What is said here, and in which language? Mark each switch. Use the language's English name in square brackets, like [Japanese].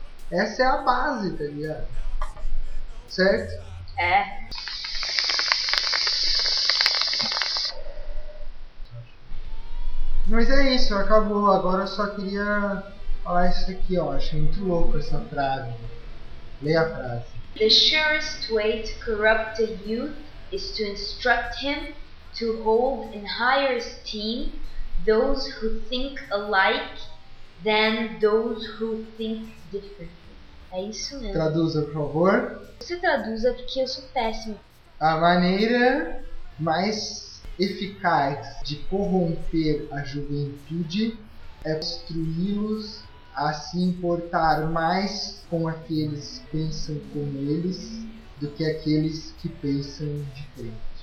[Portuguese] Essa é a base, tá ligado? Certo? É. Mas é isso, acabou. Agora eu só queria falar isso aqui, ó. Achei muito louco essa frase. Leia a frase. [English] The surest way to corrupt a youth is to instruct him to hold in higher esteem those who think alike than those who think differently. [Portuguese] É isso mesmo. Traduza, por favor. Você traduza porque eu sou péssimo. A maneira mais eficaz de corromper a juventude é instruí-los a se importar mais com aqueles que pensam como eles do que aqueles que pensam diferente.